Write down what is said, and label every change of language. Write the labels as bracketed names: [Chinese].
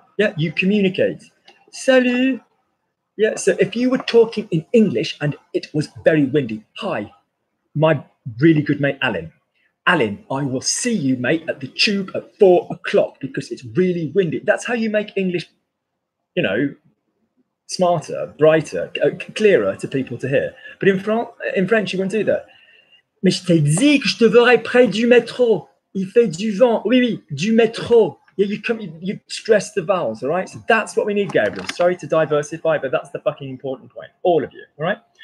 [English] Yeah, you communicate. Salut. Yeah, so if you were talking in English and it was very windy, hi, my really good mate, Alan. Alan, I will see you, mate, at the tube at 4 o'clock because it's really windy. That's how you make English, you know, smarter, brighter, clearer to people to hear. But in French, you wouldn't do that. [French] Mais je t'ai dit que je te verrai près du métro. Il fait du vent. Oui, oui, du métro. [English] Yeah, you stress the vowels, all right? So that's what we need, Gabriel. Sorry to diversify, but that's the fucking important point. All of you, all right?